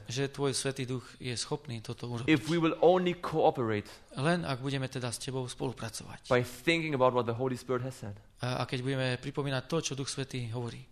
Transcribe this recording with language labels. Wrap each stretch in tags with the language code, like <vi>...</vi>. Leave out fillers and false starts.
<sk>Že tvoj Svätý Duch je schopný toto urobiť.</sk> <en>If we will only cooperate.</en> <sk>Len ak budeme teda s tebou spolupracovať.</sk> <en>By thinking about what the Holy Spirit has said.</en> <sk>A keď budeme pripomínať to, čo Duch Svätý hovorí.</sk>